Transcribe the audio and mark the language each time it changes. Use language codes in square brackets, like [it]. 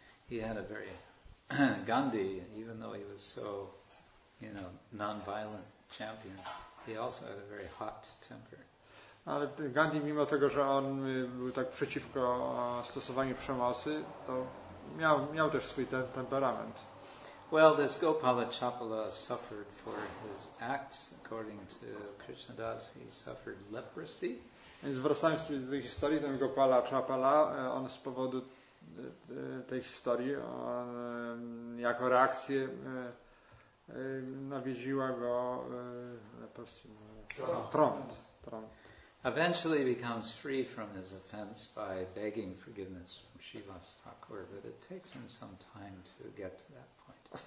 [en] He had a very Gandhi, even though he was so, you know, non-violent champion, he also had a very hot temper. [pl] Ale Gandhi mimo tego, że on był tak przeciwko stosowaniu przemocy, to miał też swój temperament. [en] Well, this Gopala Chapala suffered for his acts, according to Krishna Das, he suffered leprosy. [pl] Więc wracając do tej historii, ten Gopala Chapala, on z powodu tej historii, on, jako reakcję nawiedziła go leprosy, trąd. [en] Eventually becomes free from his offense by begging forgiveness from Srivas Thakur, but it takes him some time to get to that point.